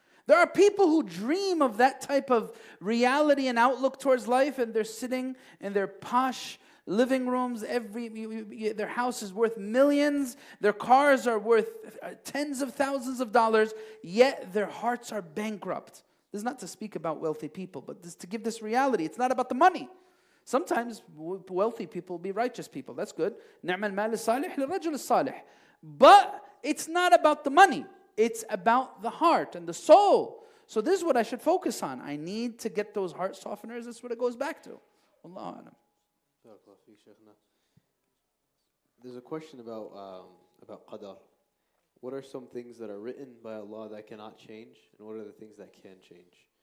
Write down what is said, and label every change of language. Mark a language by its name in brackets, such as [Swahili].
[English] There are people who dream of that type of reality and outlook towards life, and they're sitting in their posh living rooms. Their house is worth millions. Their cars are worth tens of thousands of dollars. Yet their hearts are bankrupt. This is not to speak about wealthy people, but this, to give this reality. It's not about the money. Sometimes wealthy people be righteous people. That's good. [Arabic] نعم المال الصالح للرجل الصالح. [English] But it's not about the money. It's about the heart and the soul. So this is what I should focus on. I need to get those heart softeners. That's what it goes back to. Allahu a'lam. There's a question about qadar. What are some things that are written by Allah that cannot change? And what are the things that can change?